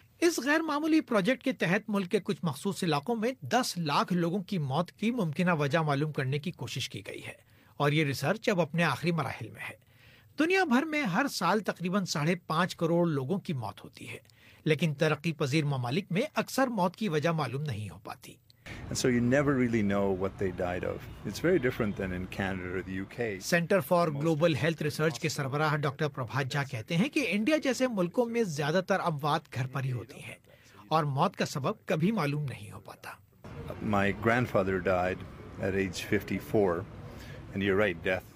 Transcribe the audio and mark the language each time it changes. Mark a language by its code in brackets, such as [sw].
[ur] اس غیر معمولی پروجیکٹ کے تحت ملک کے کچھ مخصوص علاقوں میں 10 لاکھ لوگوں کی موت کی ممکنہ وجہ معلوم کرنے کی کوشش کی گئی ہے اور یہ ریسرچ اب اپنے آخری مراحل میں ہے. دنیا بھر میں ہر سال تقریباً 5.5 کروڑ لوگوں کی موت ہوتی ہے، لیکن ترقی پذیر ممالک میں اکثر موت کی وجہ معلوم نہیں ہو پاتی. [en] So you never really know what they died of. It's very different than in Canada or the UK. [ur] Center for Global Health Research کے سربراہ ڈاکٹر پربھات جھا کہتے ہیں کہ انڈیا جیسے ملکوں میں زیادہ تر اموات گھر پر ہی ہوتی ہیں اور موت کا سبب کبھی معلوم نہیں ہو پاتا. [en] My grandfather died at age 54. And you're right, death.